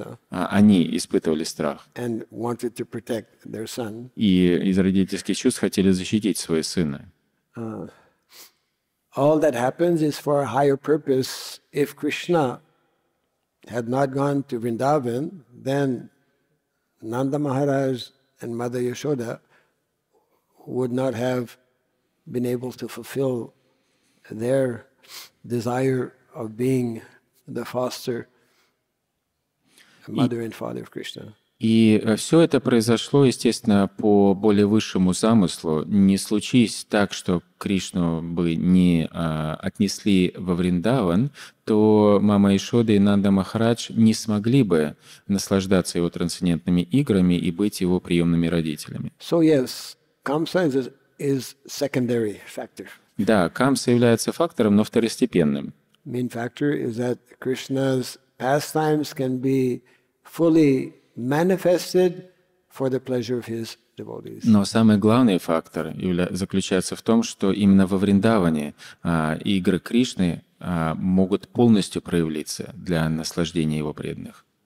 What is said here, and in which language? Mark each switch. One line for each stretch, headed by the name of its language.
Russian: Они испытывали страх. И из родительских чувств хотели защитить свои сына.
English: All that happens is for a higher purpose. If Krishna had not gone to Vrindavan, then Nanda Maharaj and Mother Yashoda would not have been able to fulfill their desire of being the foster mother and father of Krishna.
Russian: И все это произошло, естественно, по более высшему замыслу. Не случись так, что Кришну бы не отнесли во Вриндаван, то мама Яшода и Нанда Махарадж не смогли бы наслаждаться его трансцендентными играми и быть его приемными родителями.
English: So yes, Kamsa is secondary factor.
Russian: Да, Камса является фактором, но второстепенным.
English: Main factor is that Krishna's pastimes can be fully manifested for the pleasure of his devotees.
Russian: Но самый главный фактор заключается в том, что именно во Вриндаване игры Кришны могут полностью проявиться для наслаждения его преданных.